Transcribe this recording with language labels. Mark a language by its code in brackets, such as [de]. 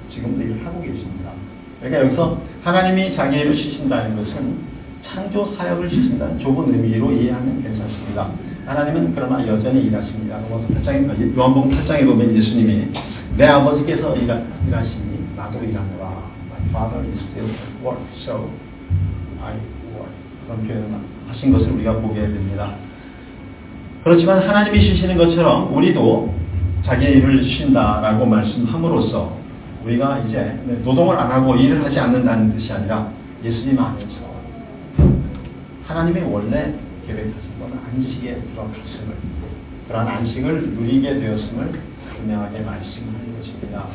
[ko] 지금도 일을 하고 계십니다. 그러니까 여기서 하나님이 자기 일을 쉬신다는 것은 창조 사역을 쉬신다는 좁은 의미로 이해하면 괜찮습니다. 하나님은 그러나 여전히 일하십니다. 로마서 8장에, 요한복음 8장에 보면 예수님이 내 아버지께서 일하시니 나도 일하노라. [en] My father is still work, so I work. [ko] 그런 표현을 하신 것을 우리가 보게 됩니다. 그렇지만 하나님이 쉬시는 것처럼 우리도 자기의 일을 쉰다라고 말씀함으로써 우리가 이제 노동을 안 하고 일을 하지 않는다는 뜻이 아니라 예수님 안에서 하나님의 원래 계획하신 건 안식에 들어갔음을, 그러한 안식을 누리게 되었음을 분명하게 말씀하는 것입니다.